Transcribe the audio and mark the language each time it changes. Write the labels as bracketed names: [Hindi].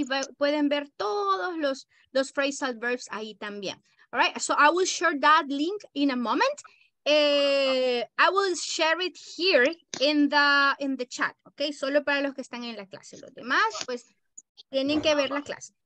[Spanish] Y pueden ver todos los phrasal verbs ahí también, [English] all right? So I will share that link in a moment. I will share it here in the chat, okay? [Spanish] Solo para los que están en la clase. Los demás, pues, tienen que ver la clase.